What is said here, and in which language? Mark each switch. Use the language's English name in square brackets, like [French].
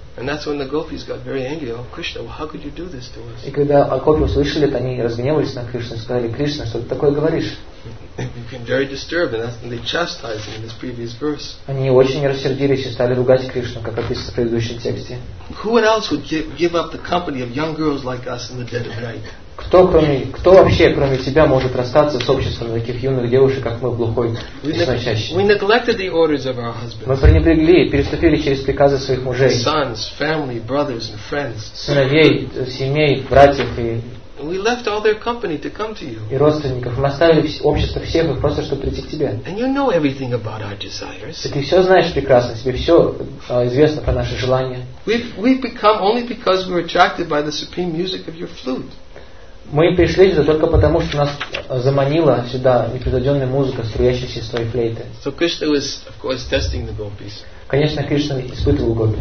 [English] And that's when the gopis got very angry. Oh, Krishna, how could you do this to us? [Russian] И когда гопи услышали это, они разгневались на Кришну и сказали: Кришна, что ты такое говоришь? [English] They became very disturbed and they chastised him in this previous verse. [Russian] Они очень рассердились и стали ругать Кришну, как описано в предыдущем тексте. [English] Who else would give up the company of young girls like us in the dead of night? [Russian] Кто вообще, кроме тебя, может расстаться с обществом таких юных девушек, как мы, в глухой ночащей? Мы пренебрегли, переступили через приказы своих мужей, [English] sons, family, brothers and friends. [Russian] Сыновей, семей, братьев и... [English] We left all their company to come to you. [Russian] И родственников. Мы оставили общество всех их просто, чтобы прийти к тебе. [English] And you know everything about our desires. [Russian] Так ты все знаешь прекрасно. Тебе все известно про наши желания. [English] We've become only because we're attracted by the supreme music of your flute. [Russian] Мы пришли сюда только потому, что нас заманила сюда непревзойденная музыка, струящаяся из твоей флейты. [English] So Krishna was, of course, testing the gopis. [Russian] Конечно, Кришна испытывал гопи.